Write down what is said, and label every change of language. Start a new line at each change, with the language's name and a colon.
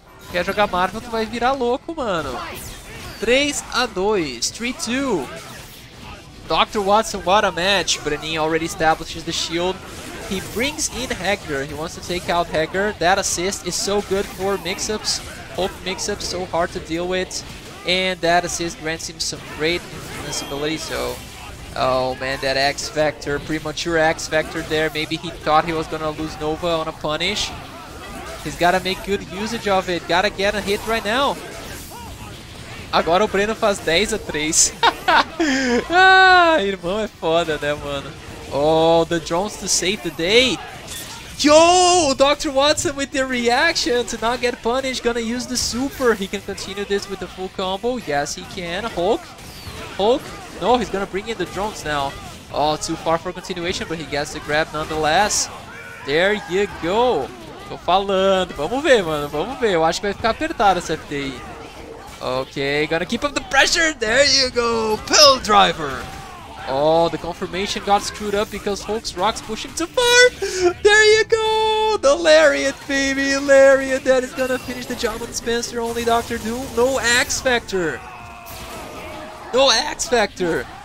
Portuguese: Quer jogar Marvel, tu vai virar louco, mano.
English: 3-2. 3-2. Dr. Watson, what a match. Brenin already establishes the shield. He brings in Hagger. He wants to take out Hagger. That assist is so good for mix-ups. Poke mix-ups so hard to deal with. And that assist grants him some great invincibility, so... Oh man, that X-Factor, premature X-Factor there. Maybe he thought he was gonna lose Nova on a punish. He's gotta make good usage of it. Gotta get a hit right now.
Portuguese: Agora o Breno faz 10 a 3. Ah, irmão é foda, né, mano?
English: Oh, the drones to save the day. Yo, Dr. Watson with the reaction to not get punished. Gonna use the super. He can continue this with the full combo. Yes, he can. Hulk. Hulk. No, he's gonna bring in the drones now. Oh, too far for continuation, but he gets the grab nonetheless. There you go.
Portuguese: Tô falando. Vamos ver, mano. Vamos ver. Eu acho que vai ficar apertado essa FT.
English: Okay, gonna keep up the pressure. There you go. Pill driver. Oh, the confirmation got screwed up because Hulk's rocks pushing too far. There you go. The Lariat, baby. Lariat that is gonna finish the job on Spencer. Only Dr. Doom. No X Factor. No X Factor.